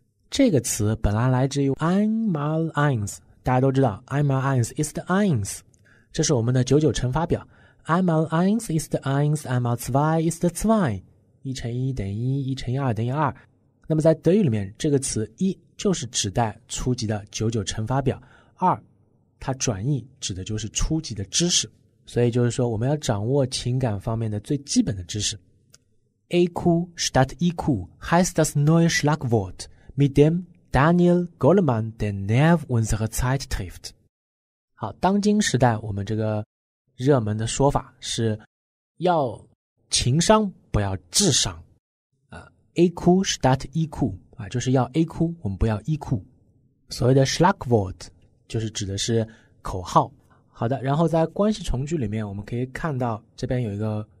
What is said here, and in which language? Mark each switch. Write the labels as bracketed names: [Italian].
[Chinese] 这个词本来来自于 Einmal eins， 大家都知道 [German] Einmal eins ist eins， [Chinese] 这是我们的九九乘法表， [German] Einmal eins ist eins， Einmal zwei ist zwei， [Chinese] 一乘一等于一，一乘一二等于二。那么在德语里面，这个词一就是指代初级的九九乘法表，二它转义指的就是初级的知识，所以就是说我们要掌握情感方面的最基本的知识。 [German] EQ statt EQ heißt das neue Schlagwort mit dem Daniel Goleman den Nerv unserer Zeit trifft。 [Chinese] 好，当今时代我们这个热门的说法是要情商不要智商、 [German] AQ statt EQ、 [Chinese] 就是要 AQ 我们不要 EQ。所谓的 Schlagwort 就是指的是口号。好的，然后在关系从句里面我们可以看到这边有一个